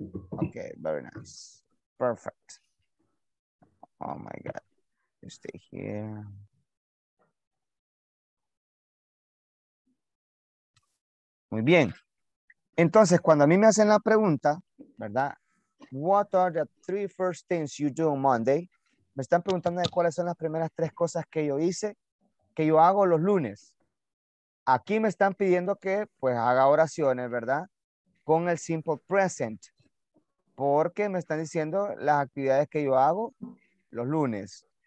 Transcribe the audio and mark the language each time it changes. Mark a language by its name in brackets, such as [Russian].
[English] Ok, very nice. Perfect. Oh, my God. You stay here. [Spanish] Muy bien. Entonces, cuando a mí me hacen la pregunta, ¿verdad? [English] What are the three first things you do on Monday? [Spanish] Me están preguntando de cuáles son las primeras tres cosas que yo hice, que yo hago los lunes. Aquí me están pidiendo que pues haga oraciones, ¿verdad? Con el simple present. Porque me están diciendo las actividades que yo hago los lunes.